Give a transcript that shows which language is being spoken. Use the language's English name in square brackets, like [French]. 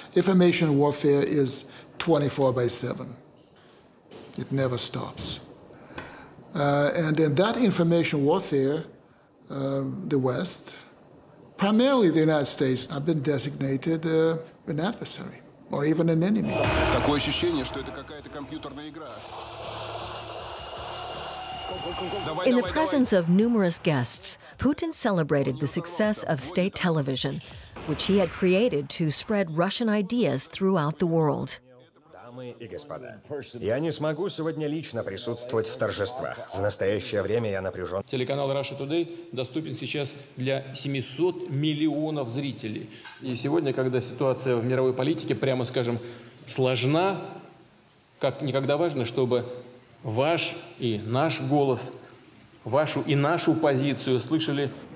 [English] Information warfare is 24/7. It never stops. And in that information warfare, the West, primarily the United States, have been designated an adversary. Or even an enemy. [Russian] Такое ощущение, что это какая-то компьютерная игра. [English] In the presence of numerous guests, Putin celebrated the success of state television, which he had created to spread Russian ideas throughout the world. [Russian] Дамы и господа, я не смогу сегодня лично присутствовать в торжествах. В настоящее время я напряжен. Телеканал Russia Today доступен сейчас для 700 миллионов зрителей. И сегодня, когда ситуация в мировой политике, прямо скажем, сложна, как никогда важно, чтобы ваш и наш голос, вашу и нашу позицию слышали.